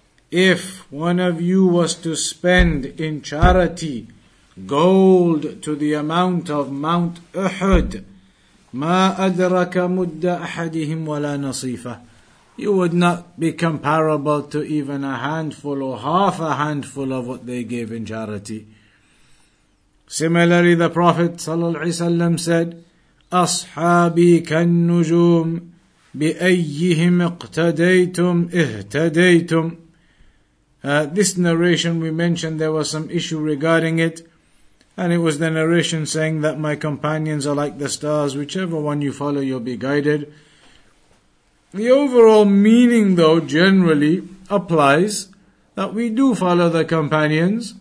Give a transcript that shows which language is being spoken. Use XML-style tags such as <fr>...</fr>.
<en>If one of you was to spend in charity gold to the amount of Mount Uhud,</en> <ar>مَا أَدْرَكَ مُدَّ أَحَدِهِمْ وَلَا نَصِيفَةٍ,</ar> <en>you would not be comparable to even a handful or half a handful of what they gave in charity. Similarly, the Prophet ﷺ said,</en> <ar>أَصْحَابِي كَالنُّجُومِ بِأَيِّهِمْ اقْتَدَيْتُمْ اِهْتَدَيْتُمْ.</ar> <en>This narration we mentioned, there was some issue regarding it, and it was the narration saying that my companions are like the stars, whichever one you follow you'll be guided. The overall meaning though generally applies that we do follow the companions.</en>